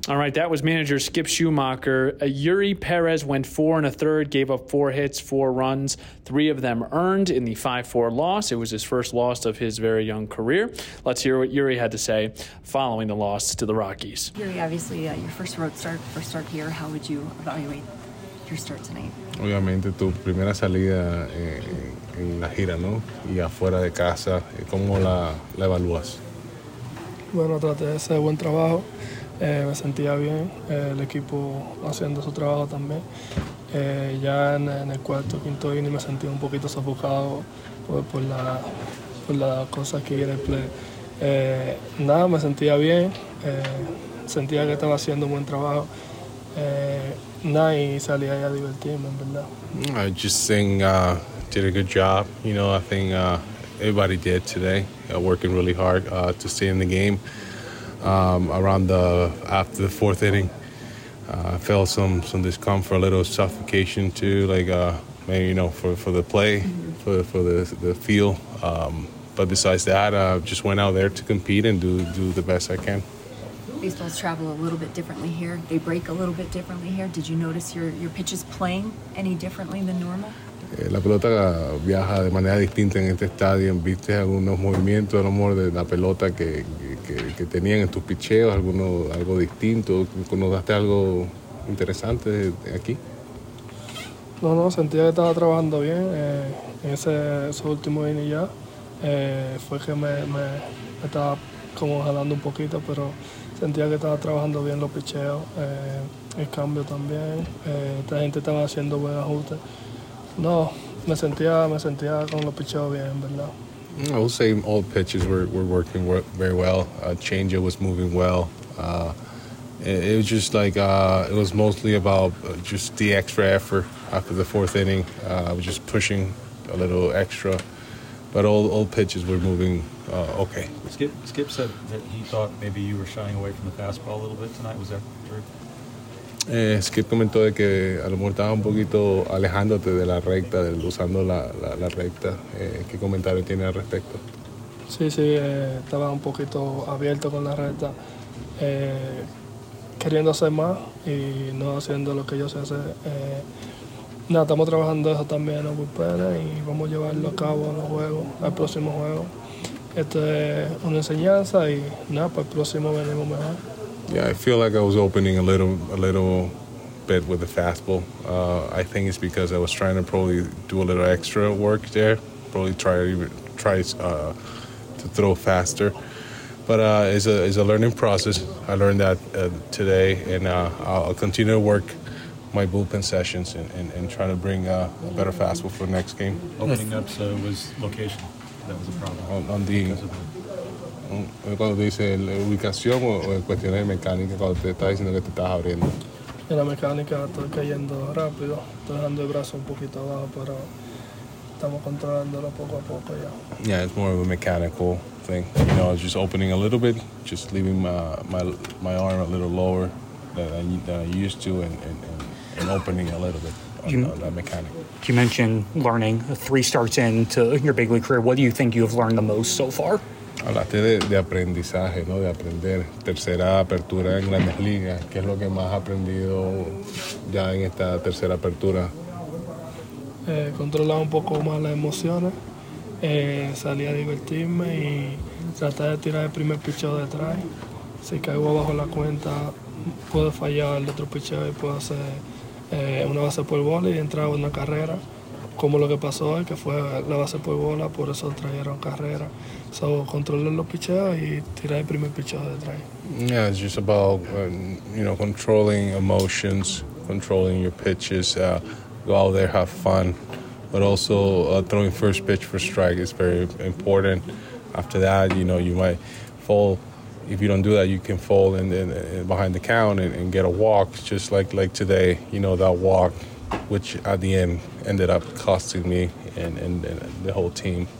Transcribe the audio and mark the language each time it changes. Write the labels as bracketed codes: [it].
[en] All right, that was manager Skip Schumacher. Yuri Perez went 4 1/3, gave up 4 hits, 4 runs, 3 of them earned in the 5-4 loss. It was his first loss of his very young career. Let's hear what Yuri had to say following the loss to the Rockies. Yuri, obviously your first road start, first start here. How would you evaluate your start tonight? [es] Obviamente tu primera salida en la gira, ¿no? Y afuera de casa, ¿cómo la evalúas? Bueno, traté de hacer buen trabajo, me sentía bien, el equipo haciendo su trabajo también. Ya en el cuarto, quinto inning me sentí un poquito sofocado por la cosa que era el play. Nada, me sentía bien, sentía que estaba haciendo un buen trabajo. Nada, y salí ahí a divertirme, en verdad. [en] I just think did a good job, you know, I think everybody did today. Working really hard to stay in the game. After the fourth inning, I felt some discomfort, a little suffocation too, for the play, for the feel. But besides that, I just went out there to compete and do the best I can. Baseballs travel a little bit differently here. They break a little bit differently here. Did you notice your pitches playing any differently than normal? [es] La pelota viaja de manera distinta en este estadio. Viste algunos movimientos, a lo mejor de la pelota que tenían en tus picheos, algo distinto. ¿Conociste algo interesante aquí? No, sentía que estaba trabajando bien. En esos últimos innings ya fue que me estaba como jalando un poquito, pero sentía que estaba trabajando bien los picheos, el cambio también. Esta gente estaba haciendo buen ajuste. No, me sentía con los picheos bien, verdad. [en] I would say all pitches were working very well. Changeup was moving well. It was just like it was mostly about just the extra effort after the fourth inning. I was just pushing a little extra, but all pitches were moving okay. Skip said that he thought maybe you were shying away from the fastball a little bit tonight. Was that true? [es] Skip comentó de que a lo mejor estaba un poquito alejándote de la recta, usando la recta. ¿Qué comentario tiene al respecto? Sí, estaba un poquito abierto con la recta, queriendo hacer más y no haciendo lo que yo sé hacer. Nada, estamos trabajando eso también en los bullpenes y vamos a llevarlo a cabo en los juegos, al próximo juego. Esto es una enseñanza y nada, para el próximo venimos mejor. [en] Yeah, I feel like I was opening a little bit with the fastball. I think it's because I was trying to probably do a little extra work there, probably try to throw faster. But it's a learning process. I learned that today, and I'll continue to work my bullpen sessions and try to bring a better fastball for the next game. Opening up, so it was location that was a problem. On the [es] cuando dice la ubicación o cuestiones mecánicas cuando te estás diciendo que te estás abriendo. En la mecánica estoy cayendo rápido, estoy dejando el brazo un poquito abajo, pero estamos controlándolo poco a poco ya. [en] Yeah, it's more of a mechanical thing. You know, just opening a little bit, just leaving my arm a little lower than I used to and opening a little bit. You mentioned learning 3 starts into your big league career. What do you think you have learned the most so far? [es] Hablaste de aprendizaje, ¿no? De aprender. Tercera apertura en Grandes Ligas. ¿Qué es lo que más has aprendido ya en esta tercera apertura? Controlar un poco más las emociones. Salir a divertirme y tratar de tirar el primer picheo detrás. Si caigo abajo la cuenta, puedo fallar el otro picheo y puedo hacer una base por bola y entrar en una carrera. Como lo que pasó hoy, que fue la base por bola, por eso trajeron carrera. So, controlar los picheos y tirar el primer picheo detrás. [en] Yeah, it's just about, you know, controlling emotions, controlling your pitches. Go out there, have fun. But also throwing first pitch for strike is very important. After that, you know, you might fall. If you don't do that, you can fall in behind the count and get a walk, just like today, you know, that walk, which at the end ended up costing me and the whole team.